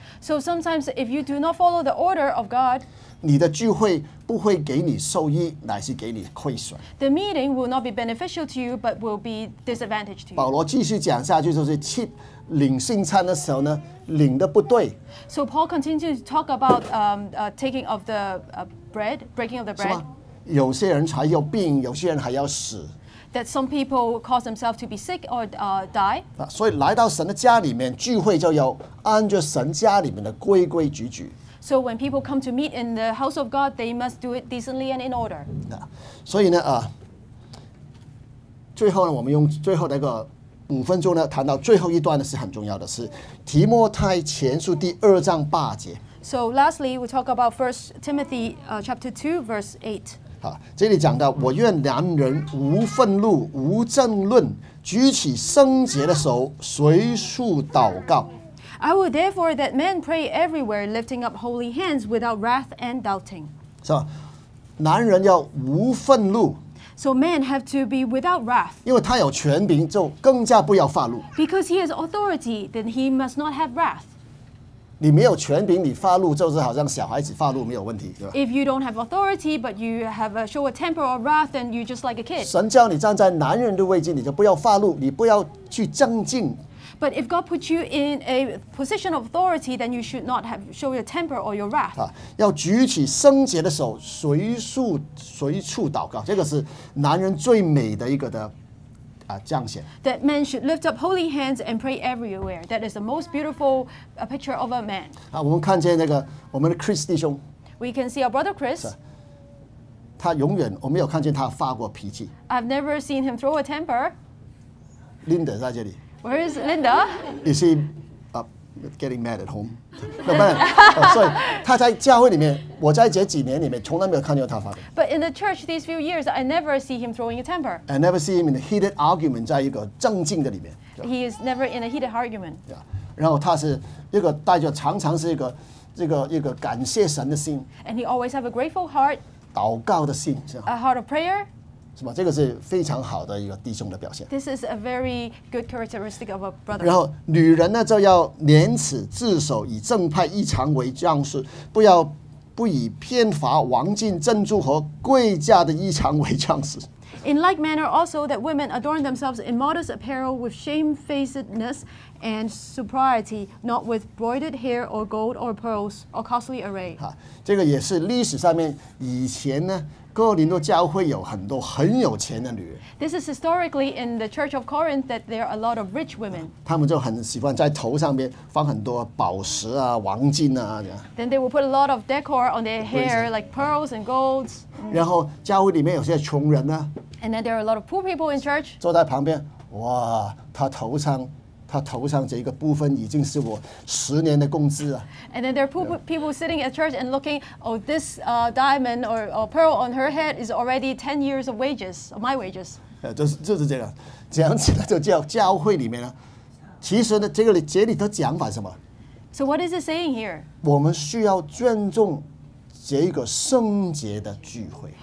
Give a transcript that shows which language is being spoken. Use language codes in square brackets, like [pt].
[en] So sometimes if you do not follow the order of God, [zh] 你的聚会不会给你受益，乃是给你亏损。 [en] The meeting will not be beneficial to you, but will be disadvantaged to you. [zh] 保罗继续讲下去，就是去领圣餐的时候呢，领的不对。 [en] So Paul continues to talk about taking of the bread, breaking of the bread. [zh] 是吗？有些人才有病，有些人还要死。 [en] That some people cause themselves to be sick or die. [zh] 所以来到神的家里面聚会，就要按着神家里面的规规矩矩。 [en] So when people come to meet in the house of God, they must do it decently and in order. [zh] 所以呢，最后呢，我们用最后的一个五分钟呢，谈到最后一段呢，是很重要的，是提摩太前书第二章八节。 [en] So lastly, we talk about 1 Timothy chapter 2, verse 8. [zh] 这里讲到，我愿男人无愤怒，无争论，举起圣洁的手，随处祷告。 [en] I will therefore that men pray everywhere, lifting up holy hands without wrath and doubting. [zh] So, 男人要无愤怒。 [en] So men have to be without wrath. [zh] 因为他有权柄，就更加不要发怒。 [en] Because he has authority, then he must not have wrath. [zh] 你没有权柄，你发怒就是好像小孩子发怒没有问题，对吧？ [en] If you don't have authority, but you have a show a temper or wrath, then you're just like a kid. [zh] 神叫你站在男人的位置，你就不要发怒，你不要去争竞。 [en] But if God puts you in a position of authority, then you should not have show your temper or your wrath. [zh] 要举起圣洁的手，随处祷告，这个是男人最美的一个的彰显。 [en] That men should lift up holy hands and pray everywhere. That is the most beautiful picture of a man. [zh] 我们看见那个我们的 Chris 弟兄。 [en] We can see our brother Chris. [zh] 他永远我没有看见他发过脾气。 [en] I've never seen him throw a temper. [zh] Linda 在这里。 [en] Where is Linda? Is he getting mad at home? No, man. [zh] So, 他在教会里面，我在这几年里面从来没有看见他发过。 [en] But in the church these few years, I never see him throwing a temper. I never see him in a heated argument, [zh] 在一个正经的里面。 [en] He is never in a heated argument. [zh] Yeah. 然后他是一个带着常常是一个感谢神的心。 [en] And he always have a grateful heart. [zh] 祷告的心是。 [en] A heart of prayer. [zh] 是吧？这个是非常好的一个弟兄的表现。 [en] This is a very good characteristic of a brother. [zh] 然后女人呢，就要廉耻自守，以正派异常为样式，不以偏乏王金珍珠和贵价的异常为样式。 [en] In like manner, also that women adorn themselves in modest apparel with shamefacedness and sobriety, not with broidered hair or gold or pearls or costly array. [zh] 这个也是历史上面以前呢。哥林多教会有很多很有钱的女人。 [en] This is historically in the Church of Corinth that there are a lot of rich women. [zh] 他们就很喜欢在头上边放很多宝石啊、黄金啊。 Then they will put a lot of decor on their hair, like pearls and golds. 然后教会里面有些穷人呢。 And then there are a lot of poor people in church. 坐在旁边，哇，他头上这一个部分已经是我十年的工资了。 [en] And then there are people sitting at church and looking, oh, this diamond or pearl on her head is already 10 years of wages, of my wages. [zh] 就是这样，这样子呢，就叫教会里面呢，其实呢，这里的讲法是什么？ [en] So what is it saying here? [zh] 我们需要尊重这一个圣洁的聚会。